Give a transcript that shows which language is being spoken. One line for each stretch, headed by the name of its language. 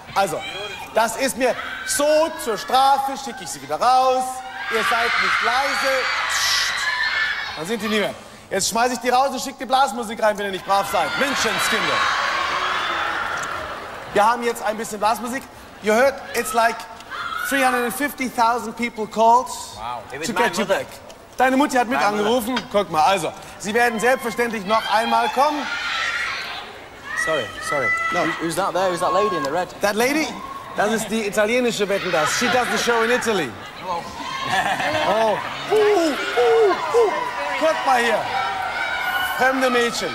German: Also, das ist mir so zur Strafe, schicke ich sie wieder raus. Ihr seid nicht leise. Psst. Dann sind die nicht mehr. Jetzt schmeiß ich die raus und schick die Blasmusik rein, wenn ihr nicht brav seid. Menschenskinder. Wir haben jetzt ein bisschen Blasmusik.
English: You heard, it's like 350.000 people called to get you back.
German: Deine Mutti hat mit angerufen. Guck mal, also, sie werden selbstverständlich noch einmal kommen.
English: Sorry. No. Who's that there? Who's that lady in the red? That lady?
German: Das ist die italienische Wetten-Das.
English: She does the show in Italy.
German: Oh. Guck mal hier. Fremde Mädchen.